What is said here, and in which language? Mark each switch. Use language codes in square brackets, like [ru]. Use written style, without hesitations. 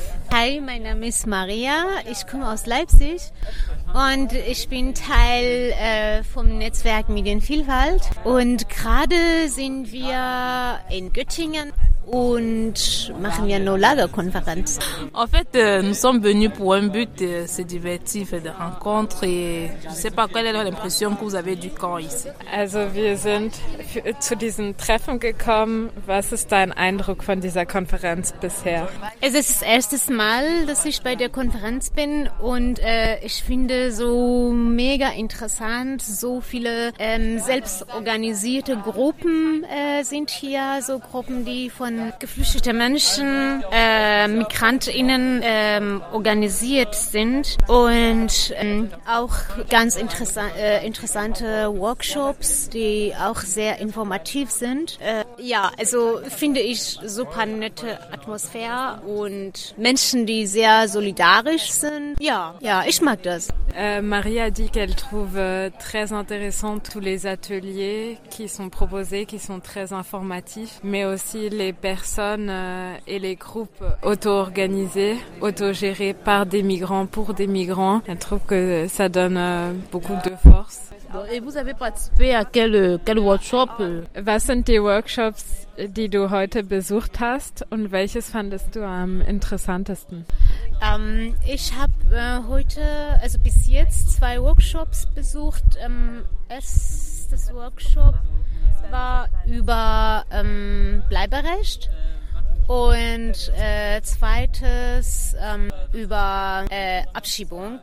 [de] Hi, mein Name ist Maria. Ich komme aus Leipzig. Und ich bin Teil vom Netzwerk Medienvielfalt. Und gerade sind wir in Göttingen. Und machen wir eine Lagerkonferenz. [fr] En fait, nous sommes venus pour un but, c'est divertir, faire des rencontres. Et je ne sais pas quelle est l'impression que vous avez du camp ici. [de] Also, wir sind zu diesem Treffen gekommen. Was ist dein Eindruck von dieser Konferenz bisher? Es ist das erste Mal, dass ich bei der Konferenz bin. Und ich finde so mega interessant. So viele selbstorganisierte Gruppen sind hier. So Gruppen, die von geflüchteten Menschen, MigrantInnen organisiert sind und auch ganz interessante Workshops, die auch sehr informativ sind. Also finde ich super nette Atmosphäre und Menschen, die sehr solidarisch sind. Ja, ich mag das. [fr] Maria dit qu'elle trouve très intéressant tous les ateliers qui sont proposés, qui sont très informatifs, mais aussi les personnes et les groupes auto-organisés, auto-gérés par des migrants, pour des migrants. Elle trouve que ça donne beaucoup de force. Et vous avez participé à quel workshop? [de] Was sind die Workshops, die du heute besucht hast und welches fandest du am interessantesten? Ich habe heute, also bis jetzt, zwei Workshops besucht. Das Workshop war über Bleiberecht und zweites über Abschiebung.